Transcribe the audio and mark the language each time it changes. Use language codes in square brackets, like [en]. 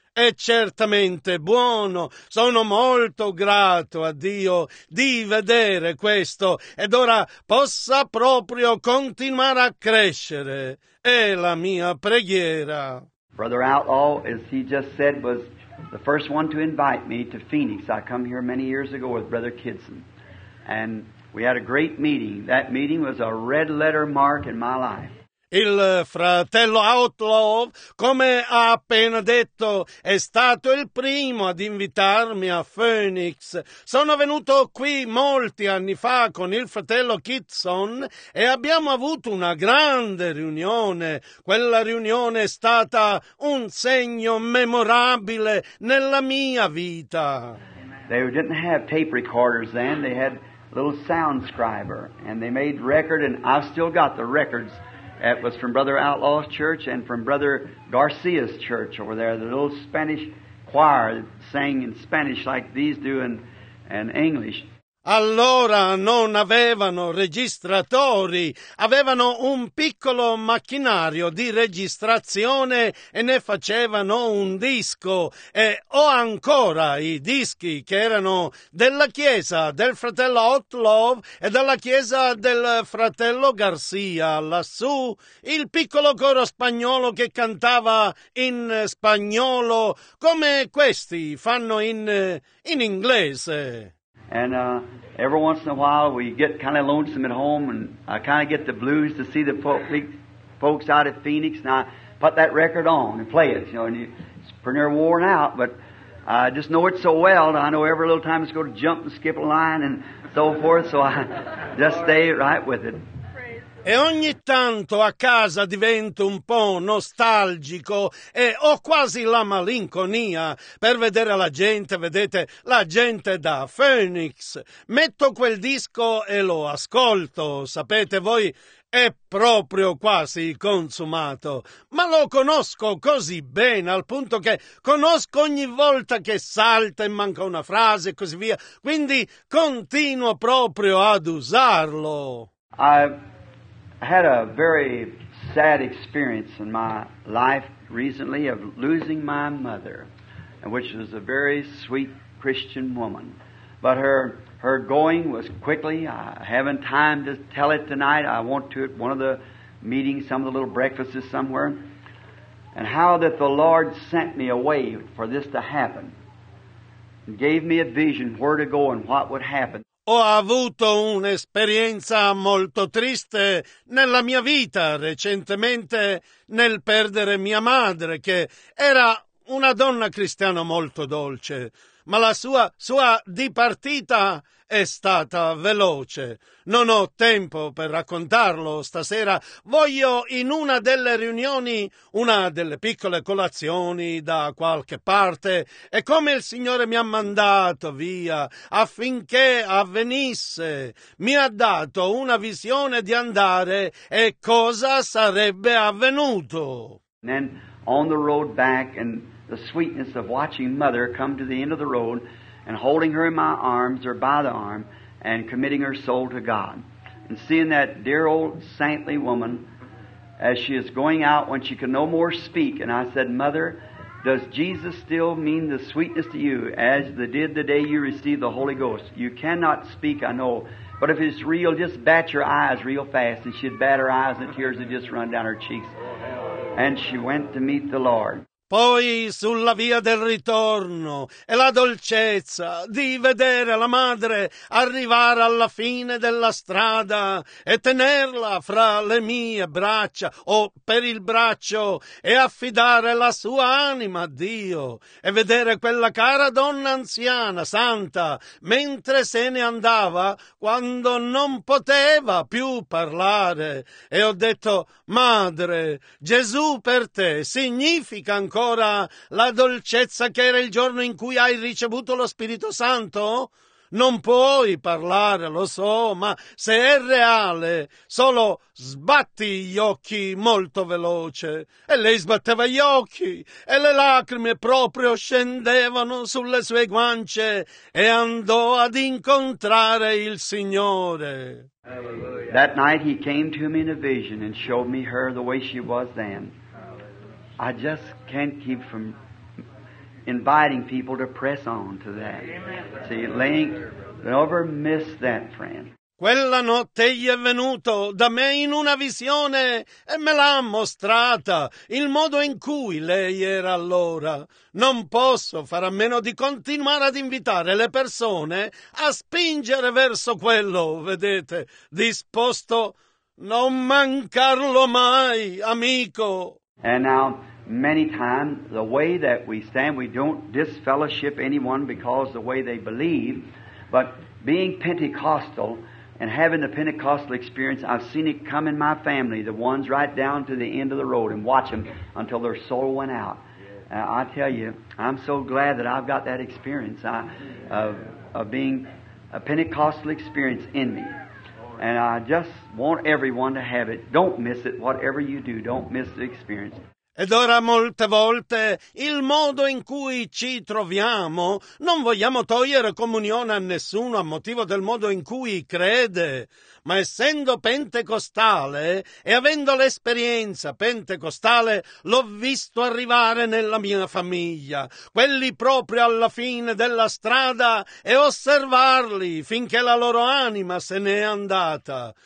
[it] È certamente buono, sono molto grato a Dio di vedere questo ed ora possa proprio continuare a crescere, è la mia preghiera. [en] Brother Outlaw, as he just said, was the first one to invite me to Phoenix. I come here many years ago with Brother Kidson and we had a great meeting. That meeting was a red letter mark in my life. [it] Il fratello Outlaw, come ha appena detto, è stato il primo ad invitarmi a Phoenix. Sono venuto qui molti anni fa con il fratello Kitson e abbiamo avuto una grande riunione. Quella riunione è stata un segno memorabile nella mia vita. [en] They didn't have tape recorders then. They had a little sound scriber and they made record and I've still got the records. It was from Brother Outlaw's church and from Brother Garcia's church over there, the little Spanish choir sang in Spanish like these do in English. [it] Allora non avevano registratori, avevano un piccolo macchinario di registrazione e ne facevano un disco. E ho ancora i dischi che erano della chiesa del fratello Outlaw e della chiesa del fratello Garcia lassù. Il piccolo coro spagnolo che cantava in spagnolo, come questi fanno in inglese. [en] And every once in a while we get kind of lonesome at home and I kind of get the blues to see the folks out at Phoenix and I put that record on and play it, you know, and it's pretty near worn out, but I just know it so well and I know every little time it's going to jump and skip a line and so forth, so I just stay right with it. [it] E ogni tanto a casa divento un po' nostalgico e ho quasi la malinconia per vedere la gente, vedete, la gente da Phoenix. Metto quel disco e lo ascolto, sapete voi, è proprio quasi consumato. Ma lo conosco così bene al punto che conosco ogni volta che salta e manca una frase e così via, quindi continuo proprio ad usarlo. [en] I had a very sad experience in my life recently of losing my mother, which was a very sweet Christian woman. But her going was quickly. I haven't time to tell it tonight. I want to at one of the meetings, some of the little breakfasts somewhere. And how that the Lord sent me away for this to happen and gave me a vision where to go and what would happen. [it] Ho avuto un'esperienza molto triste nella mia vita recentemente nel perdere mia madre, che era una donna cristiana molto dolce, ma la sua dipartita è stata veloce. Non ho tempo per raccontarlo stasera. Voglio in una delle riunioni, una delle piccole colazioni da qualche parte, e come il Signore mi ha mandato via affinché avvenisse, mi ha dato una visione di andare e cosa sarebbe avvenuto. [en] Then on the road back and the sweetness of watching mother come to the end of the road and holding her in my arms or by the arm and committing her soul to God. And seeing that dear old saintly woman as she is going out when she can no more speak. And I said, Mother, does Jesus still mean the sweetness to you as it did the day you received the Holy Ghost? You cannot speak, I know. But if it's real, just bat your eyes real fast. And she'd bat her eyes and tears would just run down her cheeks. And she went to meet the Lord. [it] Poi sulla via del ritorno e la dolcezza di vedere la madre arrivare alla fine della strada e tenerla fra le mie braccia o per il braccio e affidare la sua anima a Dio e vedere quella cara donna anziana, santa, mentre se ne andava quando non poteva più parlare. E ho detto, madre, Gesù per te significa ancora ora la dolcezza che era il giorno in cui hai ricevuto lo Spirito Santo? Non puoi parlare, lo so, ma se è reale, solo sbatti gli occhi molto veloce. E lei sbatteva gli occhi e le lacrime proprio scendevano sulle sue guance e andò ad incontrare il Signore. [en] That night he came to me in a vision and showed me her the way she was then. I just can't keep from inviting people to press on to that. See, Link, never miss that, friend. [it] Quella notte gli è venuto da me in una visione e me l'ha mostrata il modo in cui lei era allora. Non posso fare a meno di continuare ad invitare le persone a spingere verso quello, vedete, disposto non mancarlo mai, amico. [en] And now, many times, the way that we stand, we don't disfellowship anyone because the way they believe, but being Pentecostal and having the Pentecostal experience, I've seen it come in my family, the ones right down to the end of the road, and watch them until their soul went out. I tell you, I'm so glad that I've got that experience of being a Pentecostal experience in me. And I just want everyone to have it. Don't miss it. Whatever you do, don't miss the experience. [it] Ed ora molte volte il modo in cui ci troviamo non vogliamo togliere comunione a nessuno a motivo del modo in cui crede, ma essendo pentecostale e avendo l'esperienza pentecostale l'ho visto arrivare nella mia famiglia, quelli proprio alla fine della strada e osservarli finché la loro anima se n'è andata.